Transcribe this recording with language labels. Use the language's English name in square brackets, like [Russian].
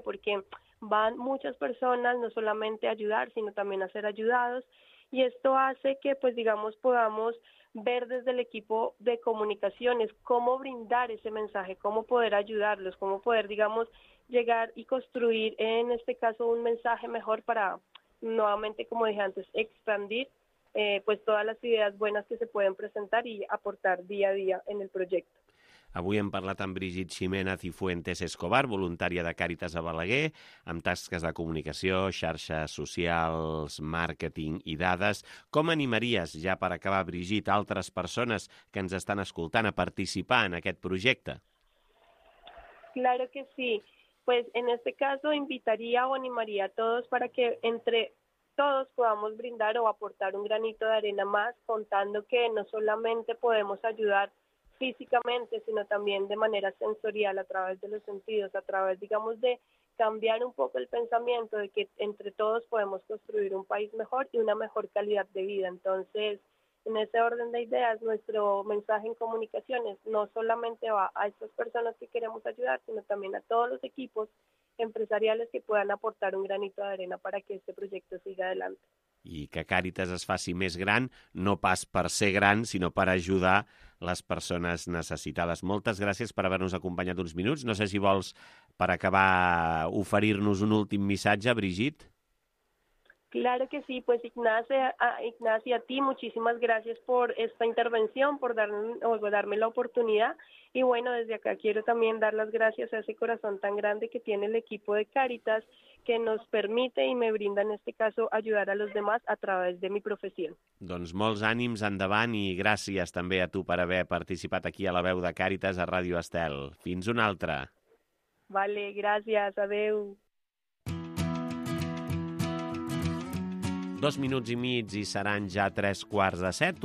[Spanish] Porque van muchas personas no solamente a ayudar, sino también a ser ayudados, y esto hace que, pues digamos, podamos ver desde el equipo de comunicaciones cómo brindar ese mensaje, cómo poder ayudarlos, cómo poder, digamos, llegar y construir en este caso un mensaje mejor para, nuevamente, como dije antes, expandir pues todas las ideas buenas que se pueden presentar y aportar día a día en el proyecto. [Catalan] Avui hem parlat amb Brígid Ximena Cifuentes Escobar, voluntària de Càritas a Balaguer, amb tasques de comunicació, xarxes socials, màrqueting i dades. Com animaries, ja per acabar, Brígid, altres persones que ens estan escoltant a participar en aquest projecte? [Spanish] Claro que sí. Pues en este caso invitaría o animaría a todos para que entre todos podamos brindar o aportar un granito de arena más, contando que no solamente podemos ayudar físicamente, sino también de manera sensorial, a través de los sentidos, a través, digamos, de cambiar un poco el pensamiento de que entre todos podemos construir un país mejor y una mejor calidad de vida. Entonces, en ese orden de ideas, nuestro mensaje en comunicaciones no solamente va a estas personas que queremos ayudar, sino también a todos los equipos empresarials que puedan aportar un granito de arena para que este proyecto siga adelante. [Catalan] I que Càritas es faci més gran, no pas per ser gran, sinó per ajudar les persones necessitades. Moltes gràcies per haver-nos acompanyat uns minuts. No sé si vols, per acabar, oferir-nos un últim missatge, Brigitte. [Spanish] Claro que sí, pues Ignacio, a ti muchísimas gracias por esta intervención, por darme la oportunidad. Y bueno, desde acá quiero también dar las gracias a ese corazón tan grande que tiene el equipo de Cáritas, que nos permite y me brinda en este caso ayudar a los demás a través de mi profesión. [Catalan] Doncs molts ànims endavant i gràcies també a tu per haver participat aquí a la veu de Cáritas a Ràdio Estel. Fins una altra. [Spanish] Vale, gracias, adeu. [Catalan] 2 minuts i mig i seran ja 6:45.